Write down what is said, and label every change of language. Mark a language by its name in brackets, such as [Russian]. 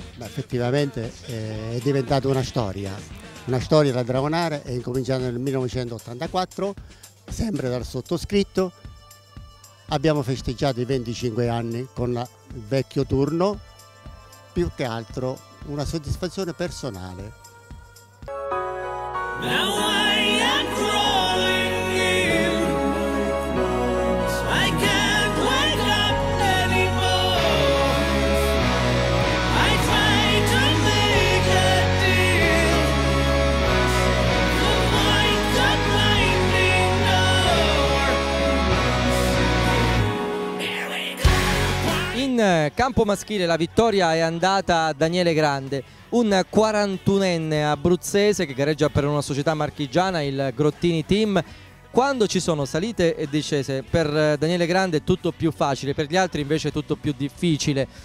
[Italian] Beh, effettivamente è diventata una storia da Dragonara, è incominciata nel 1984, sempre dal sottoscritto. Abbiamo festeggiato i 25 anni con il vecchio turno, più che altro una soddisfazione personale. [English] Now I am crawling in, so I can't wake up anymore. I try to make a deal to find the blinding door. Here we go. [Italian] In campo maschile la vittoria è andata a Daniele Grande, un 41enne abruzzese che gareggia per una società marchigiana, il Grottini Team. Quando ci sono salite e discese, per Daniele Grande è tutto più facile, per gli altri invece è tutto più difficile.